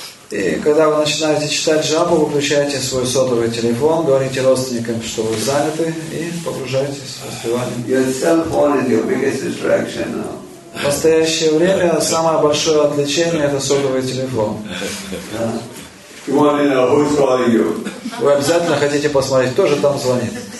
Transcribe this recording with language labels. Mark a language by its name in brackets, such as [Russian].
[Russian] И когда вы начинаете читать джапу, выключаете свой сотовый телефон, говорите родственникам, что вы заняты, и погружаетесь в распевание. [English] Your cell phone is your biggest distraction now. [Russian] В настоящее время самое большое отвлечение — это сотовый телефон. [English] You want to know who's calling you? [Russian] Вы обязательно хотите посмотреть, кто же там звонит.